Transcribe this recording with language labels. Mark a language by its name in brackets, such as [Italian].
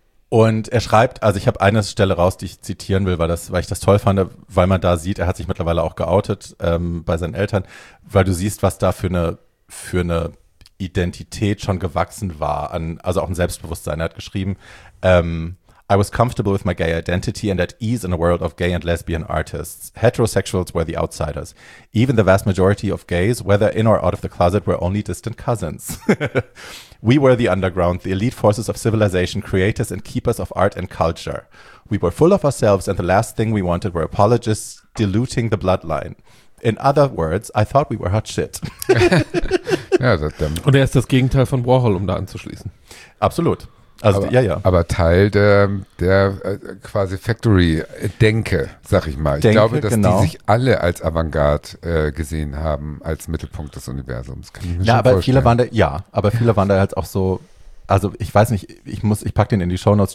[German] Und er schreibt, also ich habe eine Stelle raus, die ich zitieren will, weil ich das toll fand, weil man da sieht, er hat sich mittlerweile auch geoutet bei seinen Eltern, weil du siehst, was da für eine Identität schon gewachsen war, also auch ein Selbstbewusstsein. Er hat geschrieben, [English] I was comfortable with my gay identity and at ease in a world of gay and lesbian artists. Heterosexuals were the outsiders. Even the vast majority of gays, whether in or out of the closet, were only distant cousins. We were the underground, the elite forces of civilization, creators and keepers of art and culture. We were full of ourselves, and the last thing we wanted were apologists diluting the bloodline. In other words, I thought we were hot shit. [German] Ja, das stimmt. Und er ist das Gegenteil von Warhol, um da anzuschließen. Absolut. Also, aber, ja, ja. Aber Teil der quasi Factory-Denke, sag ich mal. Ich Denke, glaube, dass genau. die sich alle als Avantgarde gesehen haben, als Mittelpunkt des Universums. Kann ich mir ja, schon aber vorstellen. Viele waren da, ja, aber viele waren da halt auch so, also ich weiß nicht, ich pack den in die Shownotes.